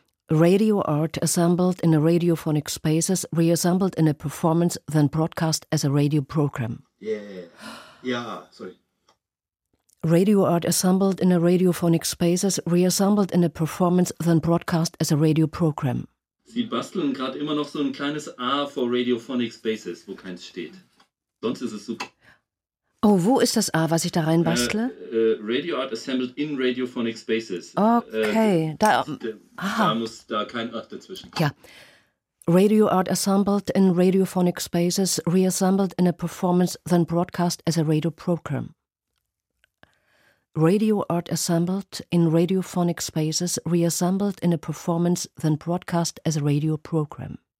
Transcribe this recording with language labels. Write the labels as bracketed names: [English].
[English] Radio art assembled in a radiophonic spaces, reassembled in a performance, then broadcast as a radio program. Yeah, sorry. Radio art assembled in a radiophonic spaces, reassembled in a performance, then broadcast as a radio program. [German] Sie basteln gerade immer noch so ein kleines A [English] for radiophonic spaces, [German] wo keins steht. Sonst ist es super. Oh, wo ist das A, was ich da reinbastle? [English] Radio art assembled in radiophonic spaces. Okay, [German] da muss da kein A dazwischen. Ja. [English] Radio art assembled in radiophonic spaces, reassembled in a performance, then broadcast as a radio program. Radio art assembled in radiophonic spaces, reassembled in a performance, then broadcast as a radio program.